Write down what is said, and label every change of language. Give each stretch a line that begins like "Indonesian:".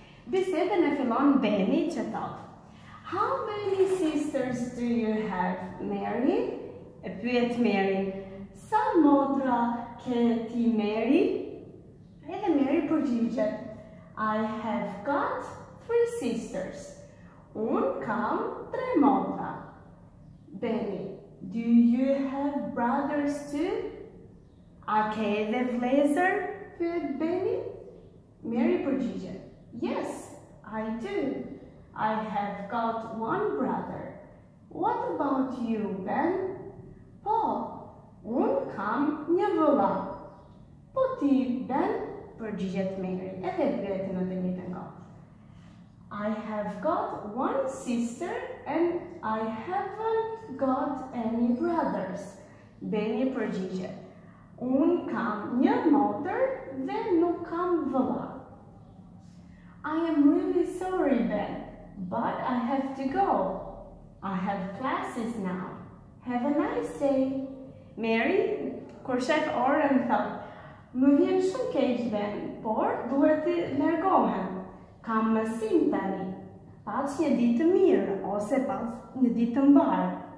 Albanian: Bisedën e fillon Benny që thot:
English: How many sisters do you have, Mary?
Albanian: E pyet Mary: Sa motra ke ti, Mary? Edhe Mary përgjigjet:
English: I have got 3 sisters.
Albanian: Un kam 3 motra.
English: Benny: Do you have brothers too?
Albanian: A ke edhe vlezër? Pyet Benny. Mary përgjigjet:
English: Yes, I do. I have got 1 brother. What about you, Ben?
Albanian: Po, un kam një vëlla. Po ti, Ben? Përgjigjet Mary. Edhe pyet në të njëjtën kohë:
English: I have got 1 sister and I haven't got any brothers.
Albanian: Benny përgjigjet: Un kam një motër dhe nuk kam vëlla.
English: I am really sorry, Ben, but I have to go. I have classes now. Have a nice day.
Albanian: Mary, kur shef orën, thot: Më vjen shumë keq, Ben, por duhet të largohem. Kam mësim tani. Pas një ditë të mirë ose pas një ditë të mbarë.